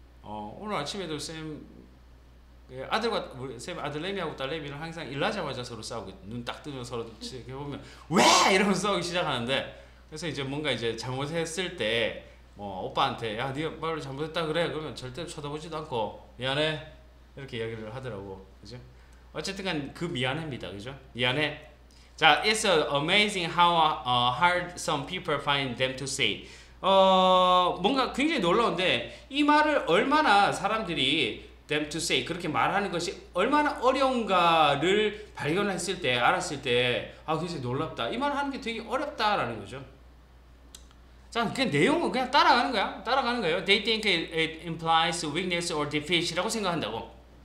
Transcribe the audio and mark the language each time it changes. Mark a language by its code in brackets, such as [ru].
[ko] 오늘 아침에도 쌤 아들내미하고 딸내미는 항상 일하자마자 서로 싸우고, 눈딱 뜨면 서로 이렇게 보면 왜 이러면 싸우기 시작하는데, 그래서 이제 뭔가 이제 잘못했을 때뭐 오빠한테 야 네가 말로 잘못했다 그래, 그러면 절대 쳐다보지도 않고 미안해 이렇게 이야기를 하더라고. 그죠? 어쨌든간 그 미안합니다. 그죠? 미안해. [en] 자, it's amazing how hard some people find them to say. [ko] 뭔가 굉장히 놀라운데, 이 말을 얼마나 사람들이 them to say, 그렇게 말하는 것이 얼마나 어려운가를 발견했을 때, 알았을 때, 아, 굉장히 놀랍다. 이 말을 하는 게 되게 어렵다라는 거죠. 자, 그 내용은 그냥 따라가는 거야. 따라가는 거예요. [en] They think it implies weakness or defeat [ko] 이라고 생각한다고.